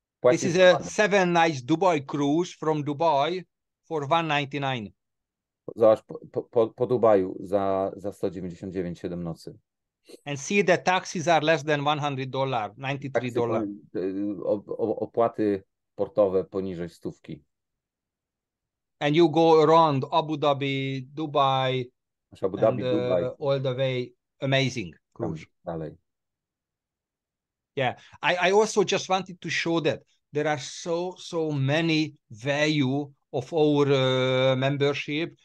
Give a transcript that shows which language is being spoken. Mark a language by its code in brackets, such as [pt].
[en] This is a 7 nights Dubai cruise from Dubai for 199. [pl] Zobacz, po Dubaju za 199, 7 nocy. [en] And see the taxes are less than $100, $93. [pl] Opłaty portowe poniżej stówki. [en] And you go around Abu Dhabi, Dubai, Abu Dhabi, and Dubai. All the way, amazing cruise. [pl] Dalej. [en] Yeah, I also just wanted to show that there are so many value of our membership.